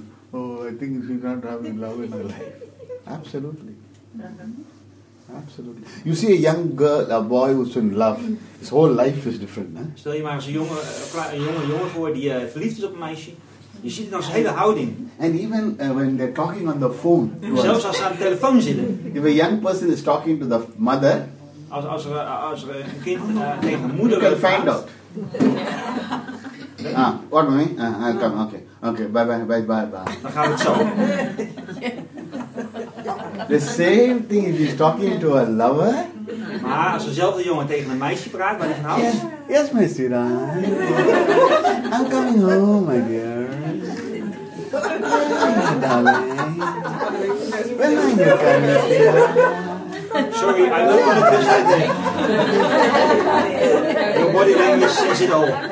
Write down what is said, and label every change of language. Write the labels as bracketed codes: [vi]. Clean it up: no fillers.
[en] Oh, I think you're not having love in your life. Absolutely. Mm-hmm. Absolutely. You see a young girl, a boy who's in love, his whole life is different. Eh? [nl] Stel je maar eens een jonge voor die verliefd is op een meisje. Je ziet het als hele houding. [en] And even when they're talking on the phone. [nl] Zelfs als ze aan de telefoon zitten. [en] If a young person is talking to the mother. [nl] Als er een kind tegen de moeder gaat. [en] You can find out. pardon me. I'll come. Okay. Okay, bye. [nl] Dan gaan we het zo. [en] The same thing if he's talking to a lover. [nl] Maar als dezelfde jongen tegen een meisje praat, waar hij van houdt. [en] Yes, my sweetheart. I'm coming home, my girl. Oh, my darling. When are you coming here? Sorry, I love what it is. Your body language says it all.